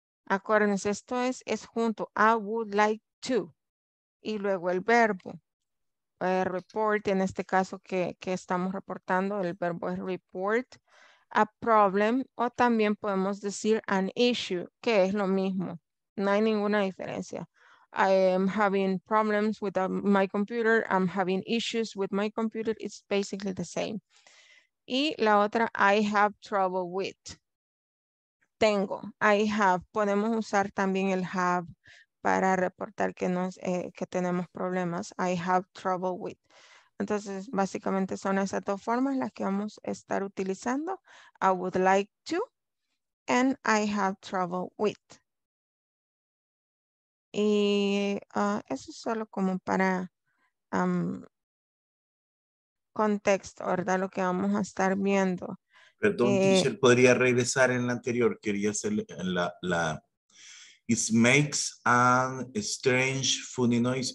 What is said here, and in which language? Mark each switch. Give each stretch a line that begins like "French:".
Spanish: Acuérdense, esto es junto,
English: I would like to,
Spanish: y luego el verbo, report, en este caso que estamos reportando, el verbo es
English: report a problem,
Spanish: o también podemos decir
English: an issue,
Spanish: que es lo mismo, no hay ninguna diferencia.
English: I am having problems with my computer, I'm having issues with my computer, it's basically the same.
Spanish: Y la otra,
English: I have trouble with.
Spanish: Tengo,
English: I have.
Spanish: Podemos usar también el have para reportar que tenemos problemas.
English: I have trouble with.
Spanish: Entonces, básicamente son esas dos formas las que vamos a estar utilizando.
English: I would like to and I have trouble with.
Spanish: Y eso es solo como para contexto, ¿verdad? Lo que vamos a estar viendo. Perdón, Michelle, podría regresar en la anterior. Quería hacer la.
English: It makes a strange funny noise.